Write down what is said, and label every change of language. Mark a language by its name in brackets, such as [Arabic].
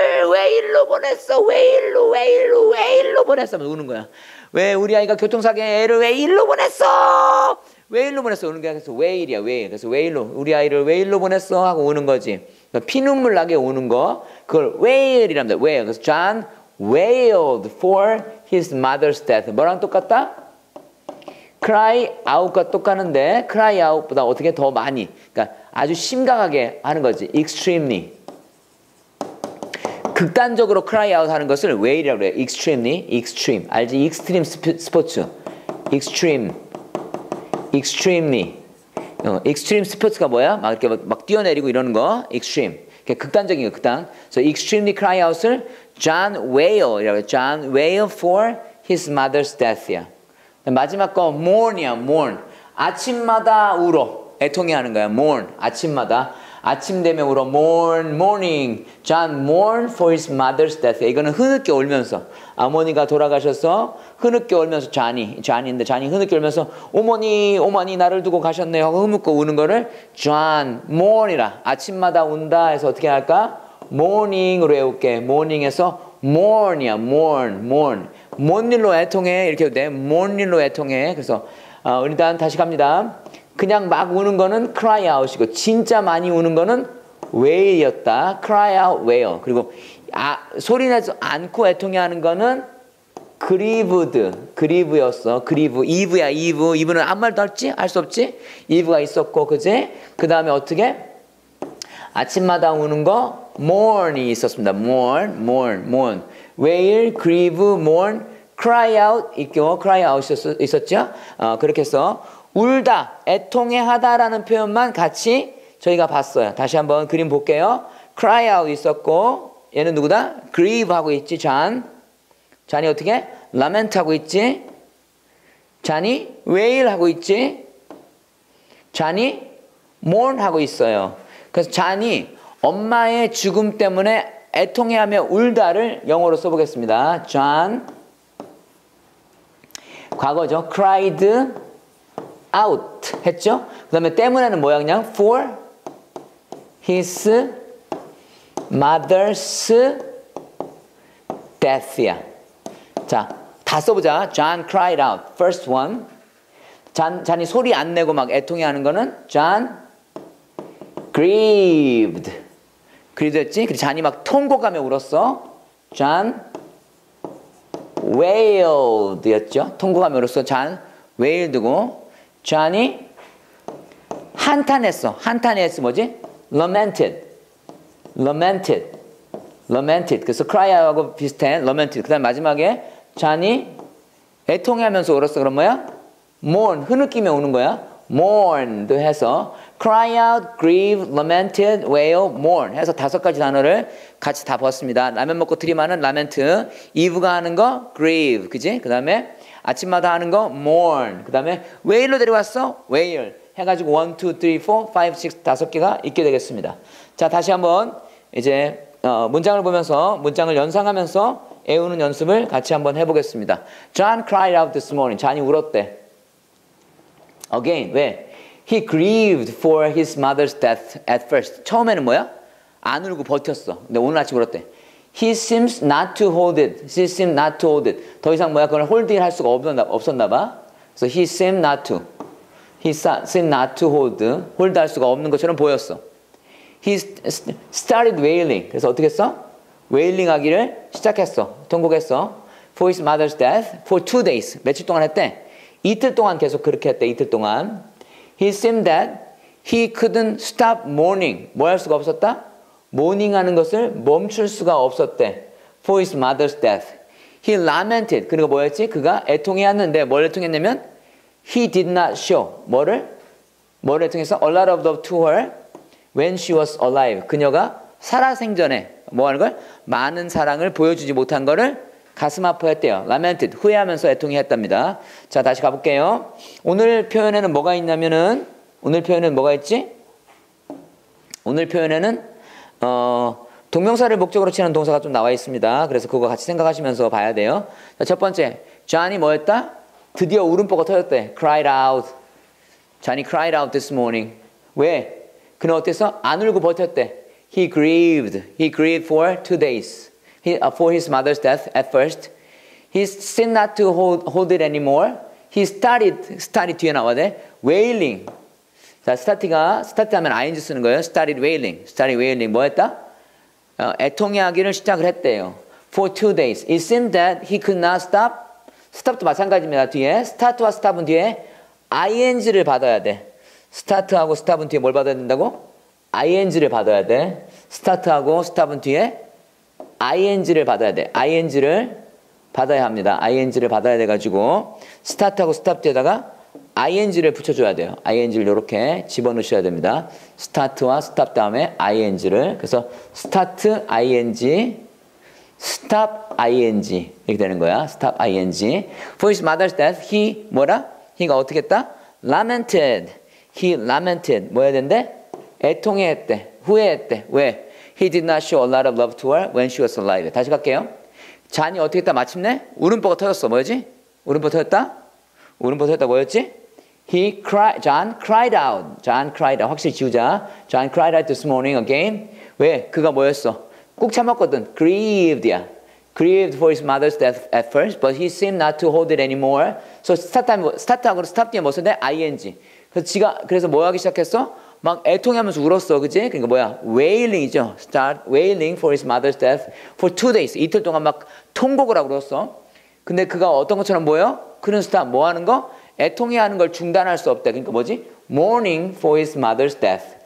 [Korean] 왜 일로 보냈어? 왜 일로? 왜 일로? 왜 일로 보냈어? 막 우는 거야. 왜 우리 아이가 교통사고에 애를 왜 일로 보냈어? 왜 일로 보냈어? 우는 게 그래서 왜 일이야? 왜? 그래서 왜 일로? 우리 아이를 왜 일로 보냈어? 하고 우는 거지. 피눈물 나게 우는 거 그걸 [English] wail [Korean] 이랍니다. [English] wail. [Korean] 그래서 [English] John wailed for his mother's death. [Korean] 뭐랑 똑같다? cry out과 똑같은데 cry out보다 어떻게 더 많이 그러니까 아주 심각하게 하는 거지. extremely 극단적으로 cry out 하는 것을 wail이라고 그래요. [English] extremely extreme 알지? extreme 스포츠 extreme extremely extreme sports가 뭐야? [Korean] 막 이렇게 막 뛰어내리고 이러는 거. extreme. 그게 극단적인 거, 극단. [English] So extremely cry out을 John wailed. John wailed for his mother's death [Korean] 야. 마지막 거 mourn이야, mourn. 아침마다 울어. 애통이 하는 거야. mourn. 아침마다. 아침 되면 울어. [English] mourn, morning. John mourned for his mother's death. [Korean] 이거는 흐느껴 울면서. 어머니가 돌아가셔서 흐느껴 울면서 쟈니인데 쟈니 흐느껴 울면서 어머니 어머니 나를 두고 가셨네 하고 흐뭇고 우는 거를 John mourn이라 아침마다 운다 해서 어떻게 할까? [English] morning으로 외울게. morning에서 mourn이야. mourn, mourn. [Korean] 뭔 일로 애통해 이렇게 해도 돼. 뭔 일로 애통해. 그래서 일단 다시 갑니다. 그냥 막 우는 거는 cry out이고 진짜 많이 우는 거는 wail이었다. [English] cry out, wail. [Korean] 그리고 소리 내서 안고 애통해 하는 거는 grieved. [English] grieve였어. grieve. eve야, eve. [Korean] eve는 아무 말도 할지? 할 수 없지? eve가 있었고, 그지? 그 다음에 어떻게? 아침마다 우는 거 mourn이 있었습니다. [English] mourn, mourn, mourn. wail, grieve, mourn, cry out. [Korean] 있고, cry out 있었죠? 그렇게 해서 울다, 애통해 하다라는 표현만 같이 저희가 봤어요. 다시 한번 그림 볼게요. cry out 있었고, 얘는 누구다? grieve 하고 있지, 잔. 잔이 어떻게? lament 하고 있지. 잔이 wail 하고 있지. 잔이 mourn 하고 있어요. 그래서 잔이 엄마의 죽음 때문에 애통해 하며 울다를 영어로 써보겠습니다. 잔. 과거죠. [English] cried out 했죠? [Korean] 그 다음에 때문에는 뭐야 그냥? [English] for his mother's death야. [Korean] 자, 다 써보자. [English] John cried out. First one. [Korean] 잔이 소리 안 내고 막 애통해 하는 거는 [English] John grieved. [Korean] 그래도 했지? 그리고 잔이 막 통곡하며 울었어. [English] John wailed 였죠? [Korean] 통곡하며 울었어. John wailed고 잔이 한탄했어. 한탄했어. 뭐지? [English] Lamented. Lamented. Lamented. [Korean] 그래서 cry하고 비슷해. [English] Lamented. [Korean] 그 다음 마지막에 잔이 애통해하면서 울었어. 그럼 뭐야? Mourn. 흐느끼며 우는 거야. Mourn도 해서 cry out, grieve, lamented, wail, mourn 해서 다섯 가지 단어를 같이 다 보았습니다. 라면 먹고 트림하는 lament. Eve가 하는 거 grieve. 그지? 그 다음에 아침마다 하는 거 mourn. 그 다음에 wail로 데려왔어? wail 해가지고 1, 2, 3, 4, 5, 6 다섯 개가 있게 되겠습니다. 자, 다시 한번 이제 문장을 보면서 문장을 연상하면서 애우는 연습을 같이 한번 해보겠습니다. [English] John cried out this morning. [Korean] 잔이 울었대. [English] Again, [Korean] 왜? [English] He grieved for his mother's death at first. [Korean] 처음에는 뭐야? 안 울고 버텼어. 근데 오늘 아침 울었대. [English] He seems not to hold it. She seems not to hold it. [Korean] 더 이상 뭐야? 그걸 holding 할 수가 없었나 봐. [English] So he seemed not to. He seemed not to hold. [Korean] Hold 할 수가 없는 것처럼 보였어. [English] He started wailing. [Korean] 그래서 어떻게 했어? Wailing 하기를 시작했어. 통곡했어. [English] For his mother's death. For 2 days. [Korean] 며칠 동안 했대? 이틀 동안 계속 그렇게 했대. 이틀 동안. [English] He seemed that he couldn't stop mourning. [Korean] 뭐 할 수가 없었다? Mourning 하는 것을 멈출 수가 없었대. [English] For his mother's death. He lamented. [Korean] 그리고 뭐였지? 그가 애통해 왔는데 뭘 애통했냐면 [English] He did not show. [Korean] 뭐를? 뭐를 애통해서? [English] A lot of love to her when she was alive. [Korean] 그녀가 살아생전에 뭐 하는 걸? 많은 사랑을 보여주지 못한 거를 가슴 아파했대요. Lamented, 후회하면서 애통했답니다. 자, 다시 가볼게요. 오늘 표현에는 뭐가 있냐면은 오늘 표현에는 뭐가 있지? 오늘 표현에는 동명사를 목적으로 치는 동사가 좀 나와 있습니다. 그래서 그거 같이 생각하시면서 봐야 돼요. 자, 첫 번째, John이 뭐였다? 드디어 울음보가 터졌대. [English] Cried out. John이 cried out this morning. [Korean] 왜? 그는 어땠어? 안 울고 버텼대. [English] He grieved. He grieved for 2 days. For his mother's death at first. He's seen not to hold it anymore. He started [Korean] 뒤에 나와야 돼. Wailing. 자, start 하면 ing 쓰는 거예요. [English] Started wailing. 뭐 했다? [Korean] 애통해하기를 시작을 했대요. [English] For 2 days. It seemed that he could not stop. [Korean] Stop도 마찬가지입니다. 뒤에. Start와 stop은 뒤에 ing를 받아야 돼. Start하고 stop은 뒤에 뭘 받아야 된다고? ing를 받아야 돼. Start하고 stop은 뒤에 ing를 받아야 돼. ing를 받아야 합니다. ing를 받아야 돼가지고 start하고 stop 뒤에다가 ing를 붙여줘야 돼요. ing를 이렇게 집어넣으셔야 됩니다. start와 stop 다음에 ing를. 그래서 start ing, stop ing 이렇게 되는 거야. [English] stop ing. For his mother's death, he 뭐라? [Korean] He가 어떻게 했다? Lamented. [English] He lamented. [Korean] 뭐 해야 된대? 애통해 했대. 후회했대. 왜? [English] He did not show a lot of love to her when she was alive. [Korean] 다시 갈게요. 잔이 어떻게 했다? 마침내? 울음보가 터졌어. 뭐였지? 울음보 터졌다? 울음보 터졌다. 뭐였지? [English] He cried, John cried out. John cried out. 확실히 지우자. John cried out this morning again. [Korean] 왜? 그가 뭐였어? 꾹 참았거든. Grieved야. [English] Grieved for his mother's death at first, but he seemed not to hold it anymore. [Korean] So start하고 stop 뒤에 뭐 쓴데? [English] ing. [Korean] 그래서 지가, 그래서 뭐 하기 시작했어? 막 애통해하면서 울었어. 그치? 그러니까 뭐야? Wailing이죠. [English] Start wailing for his mother's death for 2 days. [Korean] 이틀 동안 막 통곡을 하고 울었어. 근데 그가 어떤 것처럼 보여? 그는 stop. 뭐 하는 거? 애통해하는 걸 중단할 수 없대. 그러니까 뭐지? [English] Mourning for his mother's death.